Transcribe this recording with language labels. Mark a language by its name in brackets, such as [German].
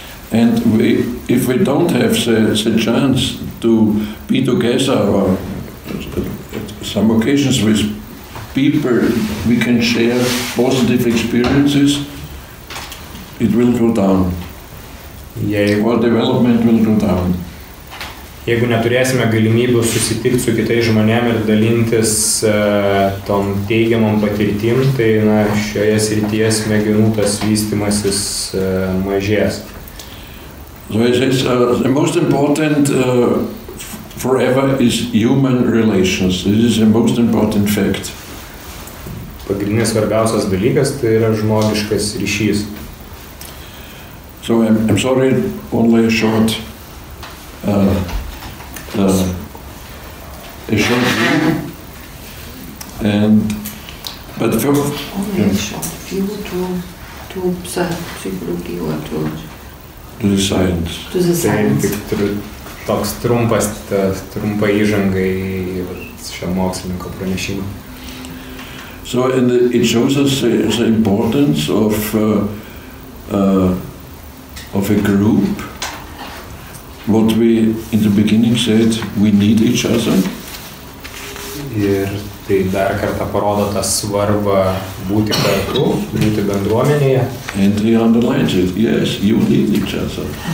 [English] And we, if we don't have the chance to be together or some occasions with people, we can share positive experiences, it will go down. Our development will go down. [Lithuanian] Jeigu neturėsime galimybių susitikti su kitais žmonėmis ir dalintis tom teigiamom patirtim, tai na, šioje srityje smegenų tas vystymasis mažės. [English] So it says, the most important forever is human relations. This is the most important fact. [Lithuanian] Pagrindinis svarbiausias dalykas tai yra žmogiškas ryšys. [English] So I'm sorry, only a short a short view, and but for only a short view to psychology or to the science. To the science. [Lithuanian] Toks trumpas, trumpa įžanga į šio mokslininko pranešimą. [English] So and it shows us the importance of of a group. What we in the beginning said, we need each other. [Lithuanian] Ir tai dar kartą parodo tą svarbą būti kartu, būti bendruomenėje. [English] And he underlines it, yes, you need each other.